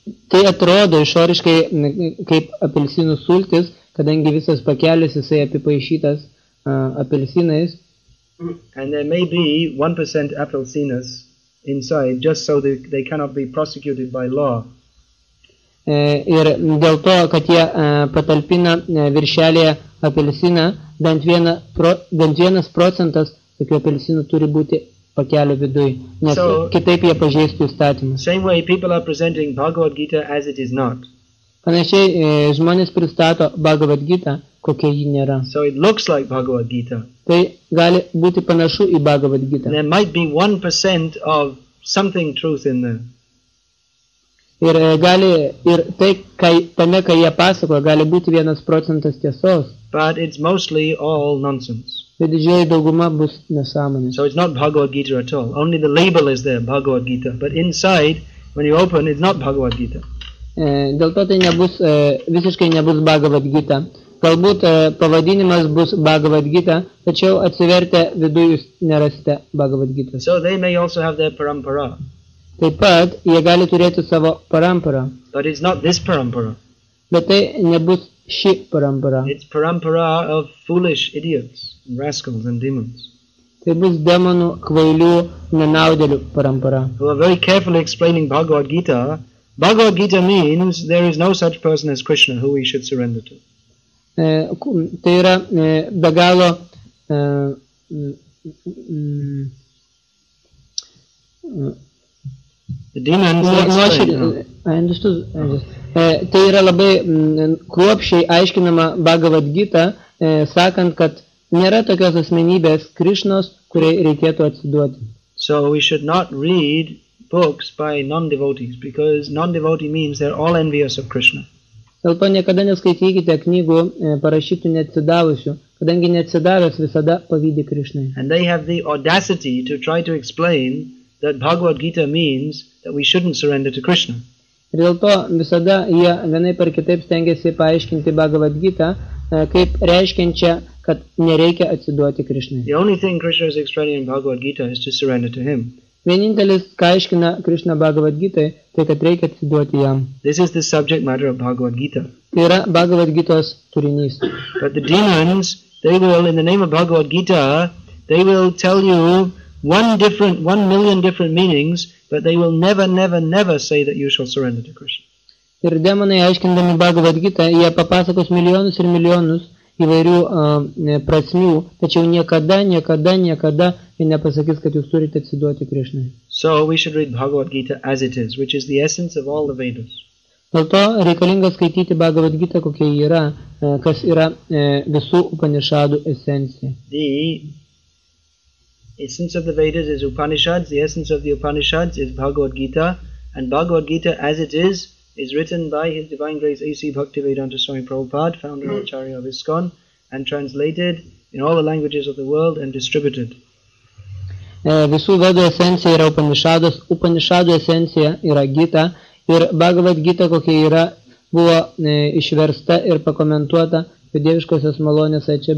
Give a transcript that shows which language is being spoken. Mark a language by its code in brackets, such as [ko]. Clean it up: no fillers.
[lt] Tai atrodo išoriškai kaip apelsinų sultis, kadangi visas pakelis jisai apipaišytas apelsinais. [en] And there may be 1% apelsinas inside just so they cannot be prosecuted by law. [lt] Ir dėl to, kad jie patalpina viršelėje apelsiną, bent vienas procentas tokių apelsinų turi būti pakelio viduj, nes so, kitaip jie pažeistų įstatymą. [en] Same way people are presenting Bhagavad Gita as it is not. [lt] Panašiai žmonės pristato Bhagavad Gita, kokia ji nėra. [en] So it looks like Bhagavad Gita. [lt] Tai gali būti panašu į Bhagavad Gita. [en] There might be 1% of something truth in there. [lt] Ir gali, ir tai, kai, tame, kai jie pasako, gali būti 1% tiesos. [en] But it's mostly all nonsense. [lt] Bet didžioji dauguma bus nesąmonė. [en] So it's not Bhagavad Gita at all. Only the label is there, Bhagavad Gita. But inside, when you open, it's not Bhagavad Gita. [lt] Dėl to tai nebus, visiškai nebus Bhagavad Gita. Galbūt pavadinimas bus Bhagavad Gita, tačiau atsivertę vidų jūs nerasite Bhagavad Gita. [en] So they may also have their parampara. [lt] Taip pat jie gali turėti savo parampara. [en] But it's not this parampara. [lt] Bet tai nebus ši parampara. [en] It's parampara of foolish idiots, rascals and demons. [lt] Tai bus demonų, kvailių, nenaudėlių parampara. [en] Who are very carefully explaining Bhagavad Gita. Bhagavad Gita means there is no such person as Krishna who we should surrender to. [lt] Tai yra be galo tai yra labai kruopščiai aiškinama Bhagavad Gita, sakant, kad nėra tokios asmenybės Krišnos, kuriai reikėtų atsiduoti. [en] So we should not read books by non-devotees, because non-devotee means they're all envious of Krishna. [lt] Dėl to niekada neskaitykite knygų parašytų neatsidavusių, kadangi neatsidavęs visada pavydi Krišnai. [en] And they have the audacity to try to explain that Bhagavad Gita means that we shouldn't surrender to Krishna. [lt] Ir dėl to visada jie vienai per kitaip stengiasi paaiškinti Bhagavad Gita, kaip reiškiančia, kad nereikia atsiduoti Krishnai. [en] The only thing Krishna is explaining in Bhagavad Gita is to surrender to him. [lt] Vienintelis, ką aiškina Krishna Bhagavad Gita, tai kad reikia atsiduoti jam. [en] This is the subject matter of Bhagavad Gita. [lt] Tai yra Bhagavad Gitos turinys. [en] But the demons, they will, in the name of Bhagavad Gita, they will tell you one million different meanings, but they will never say that you shall surrender to Krishna. [lt] Ir demonai, aiškindami Bhagavad Gita, jie papasakos milijonus ir milijonus įvairių prasmių, tačiau niekada jie nepasakys, kad jūs turite atsiduoti Krishnai. [en] So we should read Bhagavad Gita as it is, which is the essence of all the Vedas. [lt] Dėl to reikalinga skaityti Bhagavad Gita, kokia yra, kas yra visų Upanishadų esencija. [en] The essence of the Vedas is Upanishads, the essence of the Upanishads is Bhagavad Gita, and Bhagavad Gita as it is written by His Divine Grace A.C. Bhaktivedanta Swami Prabhupada, founder of Acharya of ISKCON, and translated in all the languages of the world and distributed. [lt] Visų Vedų esencija yra Upanishadas, Upanishadų esencija yra Gita, ir Bhagavad Gita, kokia yra, buvo išversta ir pakomentuota Dieviškosios malonės A.C.